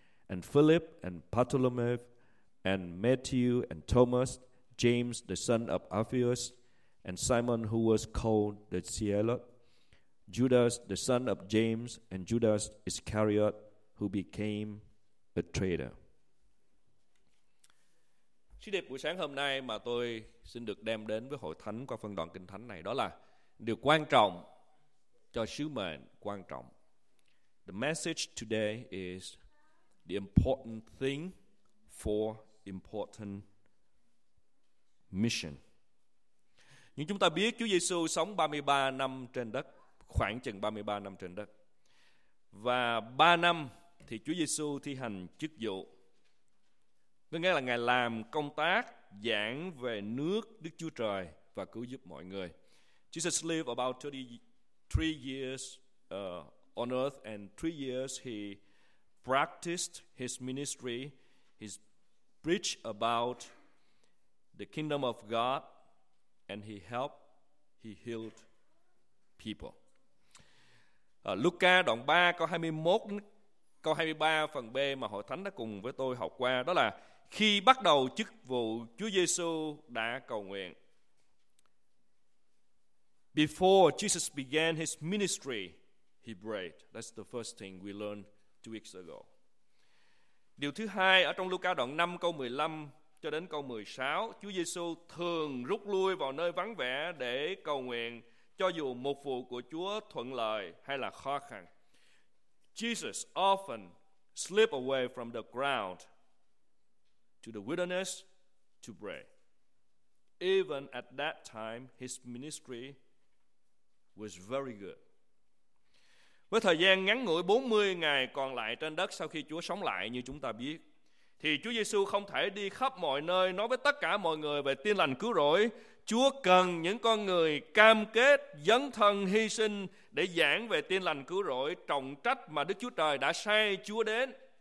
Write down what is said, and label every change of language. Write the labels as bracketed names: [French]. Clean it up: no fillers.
[English] and Philip, and Bartholomew, and Matthew, and Thomas, James, the son of Alphaeus, and Simon, who was called the Zealot, Judas, the son of James, and Judas Iscariot, who became a traitor. [Vietnamese] Sứ điệp buổi sáng hôm nay mà tôi xin được đem đến với hội thánh qua phân đoạn kinh thánh này đó là điều quan trọng cho sứ mệnh quan trọng. [English] The message today is the important thing for important mission. [Vietnamese] Nhưng chúng ta biết Chúa Giêsu sống 33 năm trên đất, khoảng chừng 33 năm trên đất. Và 3 năm thì Chúa Giêsu thi hành chức vụ. Có nghĩa là Ngài làm công tác giảng về nước Đức Chúa Trời và cứu giúp mọi người. [English] Jesus lived about 33 years on earth, and 3 years he practiced his ministry. He preached about the kingdom of God, and he helped, he healed people. [Vietnamese] Luca đoạn 3 câu 21 câu 23 phần B mà Hội Thánh đã cùng với tôi học qua, đó là khi bắt đầu chức vụ, Chúa Giêsu đã cầu nguyện. [English] Before Jesus began his ministry, he prayed. That's the first thing we learned 2 weeks ago. [Vietnamese] Điều thứ hai ở trong Luca đoạn 5 câu 15 cho đến câu 16, Chúa Giêsu thường rút lui vào nơi vắng vẻ để cầu nguyện, cho dù mục vụ của Chúa thuận lợi hay là khó khăn. [English] Jesus often slipped away from the crowd to the wilderness to pray. Even at that time, his ministry was very good. [Vietnamese] Với thời gian ngắn ngủi 40 ngày còn lại trên đất sau khi Chúa sống lại như chúng ta biết, thì Chúa Giêsu không thể đi khắp mọi nơi nói với tất cả mọi người về tin lành cứu rỗi. Chúa cần những con người cam kết dấn thân hy sinh để giảng về tin lành cứu rỗi, trọng trách mà Đức Chúa Trời đã sai Chúa đến.